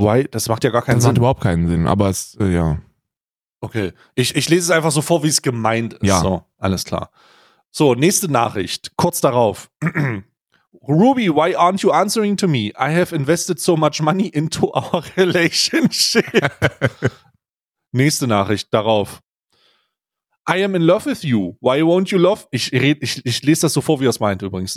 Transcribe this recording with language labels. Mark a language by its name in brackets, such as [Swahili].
[German] Das macht ja gar keinen Sinn. Das macht überhaupt keinen Sinn, aber es, ja. Okay, ich lese es einfach so vor, wie es gemeint ist. Ja. So, alles klar. So, nächste Nachricht, kurz darauf. [English] Ruby, why aren't you answering to me? I have invested so much money into our relationship. [German] Nächste Nachricht, darauf. [English] I am in love with you. Why won't you love... [German] Ich lese das so vor, wie er es meint übrigens.